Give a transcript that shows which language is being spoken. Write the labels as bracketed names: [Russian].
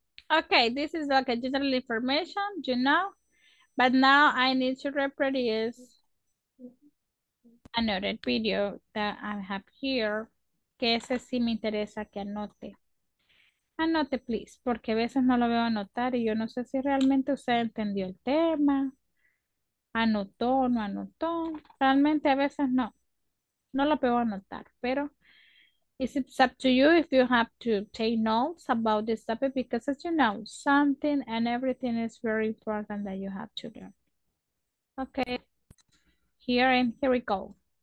[English] Okay, this is like a general information, you know? But now I need to reproduce another video that I have here. [Spanish] Que ese sí me interesa que anote. Anote, please, porque a veces no lo veo anotar y yo no sé si realmente usted entendió el tema. Anotó o no anotó. Realmente a veces no. No lo puedo anotar, pero [English] it's up to you if you have to take notes about this topic because, as you know, something and everything is very important that you have to learn. Okay. Here we go.